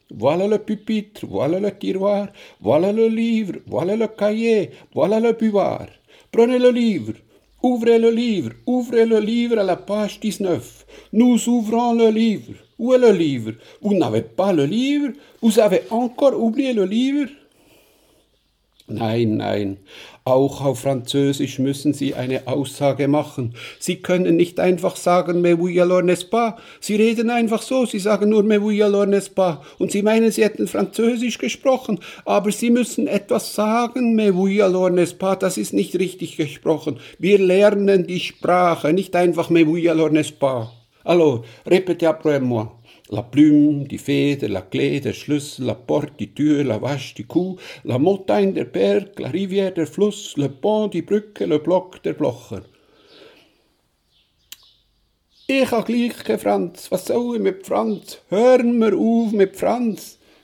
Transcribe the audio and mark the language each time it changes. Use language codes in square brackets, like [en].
[fr] Voilà le pupitre, voilà le tiroir, voilà le livre, voilà le cahier, voilà le buvard. Prenez le livre, ouvrez le livre, ouvrez le livre à la page 19. Nous ouvrons le livre. Où est le livre? Vous n'avez pas le livre? Vous avez encore oublié le livre? [de] Nein, nein. Auch auf Französisch müssen Sie eine Aussage machen. Sie können nicht einfach sagen, [fr] mais oui, alors, n'est-ce pas? [de] Sie reden einfach so, Sie sagen nur, mais oui, alors, n'est-ce pas? Und Sie meinen, Sie hätten Französisch gesprochen, aber Sie müssen etwas sagen, [fr] mais oui, alors, n'est-ce pas? [de] Das ist nicht richtig gesprochen. Wir lernen die Sprache, nicht einfach, [fr] mais oui, alors, n'est-ce pas? Alors, répétez après moi. La plume, [de] die Feder, [fr] la clé, [de] der Schlüssel, [fr] la porte, [de] die Tür, [fr] la vache, [de] die Kuh, [fr] la montagne, [de] der Berg, [fr] la rivière, [de] der Fluss, [fr] le pont, [de] die Brücke, [fr] le bloc, [de] der Blocher. Ich habe gleich kein Franz. Was soll ich mit Franz? Hör mir auf mit Franz.